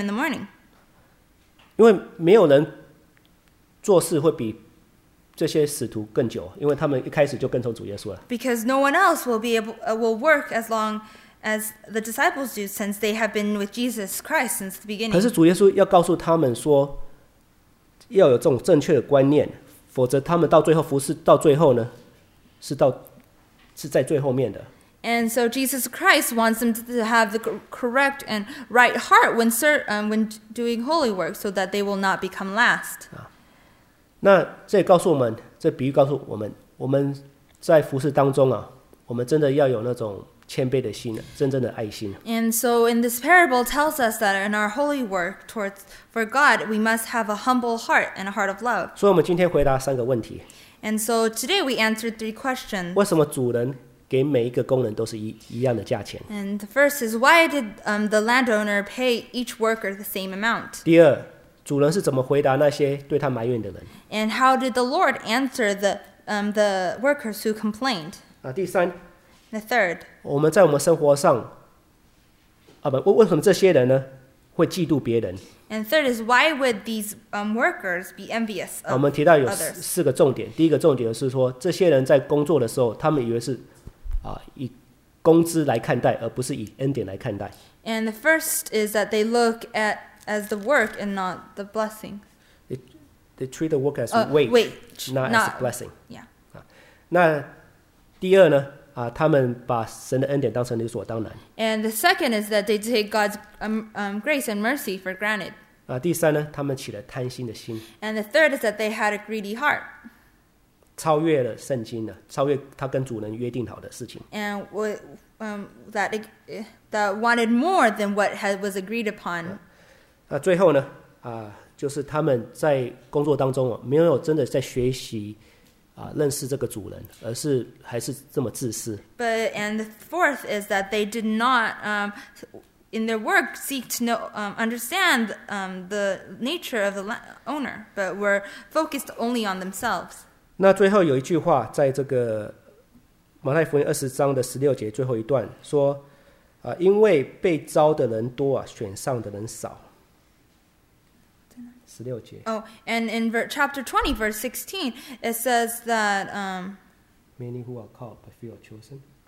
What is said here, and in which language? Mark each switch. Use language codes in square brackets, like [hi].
[en] in the morning. [zh] 因为没有人做事会比这些使徒更久，因为他们一开始就跟从主耶稣了。 [en] Because no one else will work as long as the disciples do since they have been with Jesus Christ since the beginning. [zh] 可是主耶稣要告诉他们说，要有这种正确的观念，否则他们到最后服侍到最后呢，是在最后面的。 [en] And so Jesus Christ wants them to have the correct and right heart when doing holy work so that they will not become last. [zh] 那这也告诉我们，这比喻告诉我们，我们在服事当中啊，我们真的要有那种谦卑的心，真正的爱心。 [en] And so in this parable tells us that in our holy work towards for God, we must have a humble heart and a heart of love. [zh] 所以我们今天回答三个问题。 [en] And so today we answered three questions. [zh] 为什么主人给每一个工人都是 一样的价钱？ [en] And the first is why did the landowner pay each worker the same amount? [zh] 第二，主人是怎么回答那些对他埋怨的人？ [en] And how did the Lord answer the workers who complained? [zh] 第三， [en] The third. [zh] 我们在我们生活上，为什么这些人呢，会嫉妒别人？ [en] And third is, why would these workers be envious of others? [zh] 我们提到有四个重点。第一个重点是说，这些人在工作的时候，他们以为是以工资来看待，而不是以恩典来看待。 [en] And the first is that they look at as the work and not the blessing. They treat the work as wage, not as a blessing. Yeah. [zh] 那第二呢？他们把神的恩典当成理所当然。 [en] And the second is that they take God's grace and mercy for granted. [zh] 第三呢，他们起了贪心的心。 [en] And the third is that they had a greedy heart. [zh] 超越了圣经了，超越他跟主人约定好的事情。 [en] And that wanted more than what was agreed upon. [zh] 最后呢，就是他们在工作当中没有真的在学习认识这个主人，而是还是这么自私。 [en] But and the fourth is that they did not in their work seek to know understand the nature of the owner, but were focused only on themselves. [zh] 那最后有一句话，在这个马太福音二十章的十六节最后一段说，因为被招的人多，选上的人少。 [en] Oh, and in chapter 20, verse 16, it says that many who are called, but few are chosen.